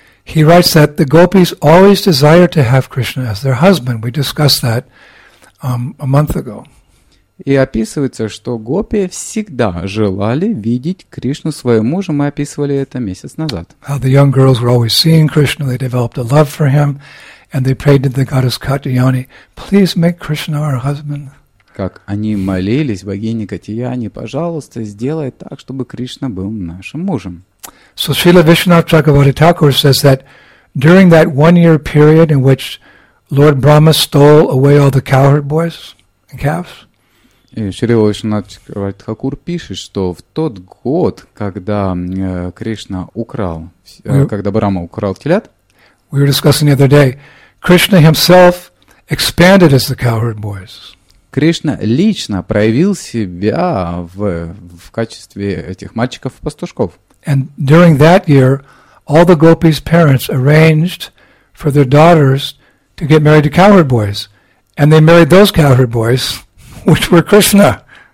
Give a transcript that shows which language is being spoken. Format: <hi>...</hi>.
<en>He writes that the gopis always desire to have Krishna as their husband. We discussed that a month ago.</en> <ru>И описывается, что гопи всегда желали видеть Кришну своим мужем. Мы описывали это месяц назад.</ru> <en>How the young girls were always seeing Krishna, they developed a love for him, and they prayed to the goddess Katyayani, please make Krishna our husband.</en> <ru>Как они молились богине Катьяяне, пожалуйста, сделай так, чтобы Кришна был нашим мужем.</ru> <en>So Srila Vishwanath Chakravarti Thakur says that during that one-year period in which Lord Brahma stole away all the cowherd boys and calves.</en> <ru>И Шрила Вишванат Чакравати Такур пишет, что в тот год, когда Кришна украл, когда Брама украл телят,</ru> <en>we were discussing the other day, Krishna himself expanded as the cowherd boys.</en> <ru>Кришна лично проявил себя в качестве этих мальчиков-пастушков.</ru> <en>And during that year, all the gopis' parents arranged for their daughters to get married to cowherd boys. And they married those cowherd boys, which were Krishna.</en>